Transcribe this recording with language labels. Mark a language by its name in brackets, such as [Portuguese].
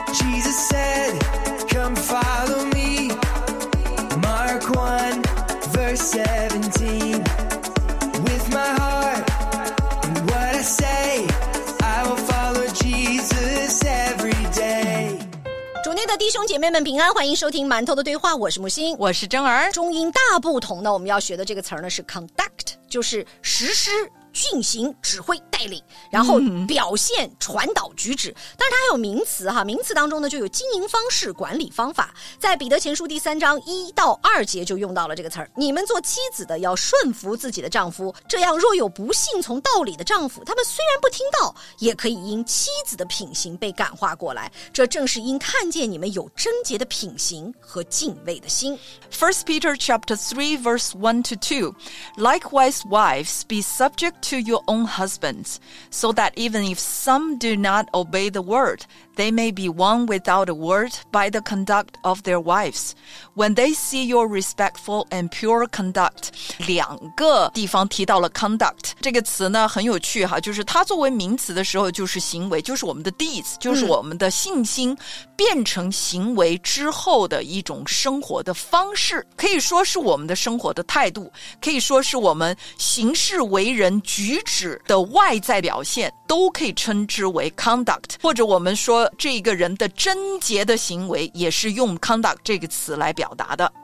[English] Jesus said, come follow me. Mark 1, verse 17. With my heart and what I say, I will follow Jesus every day. [Chinese] 主内的弟兄姐妹们平安，欢迎收听馒头的对话，我是木星，我是真儿。中英大不同呢，我们要学的这个词呢是 conduct， 就是实施、进行、指挥、带领，然后表现、传导、举止。但是它还有名词哈，名词当中呢就有经营方式、管理方法。在彼得前书第三章一到二节就用到了这个词儿：你们做妻子的要顺服自己的丈夫，这样若有不信从道理的丈夫，他们虽然不听道，也可以因妻子的品行被感化过来。这正是因看见你们有贞洁的品行和敬畏的心。 [English] First Peter chapter 3 verse 1 to 2. Likewise, wives, be subject to your own husbands, so that even if some do not obey the word, they may be won without a word by the conduct of their wives. When they see your respectful and pure conduct, [Chinese] 两个地方提到了 conduct 这个词呢，很有趣哈，就是它作为名词的时候就是行为，就是我们的 deeds， 就是我们的信心变成行为之后的一种生活的方式，可以说是我们的生活的态度，可以说是我们行事为人举止的外在表现，都可以称之为 conduct， 或者我们说这个人的贞洁的行为也是用 conduct 这个词来表达的。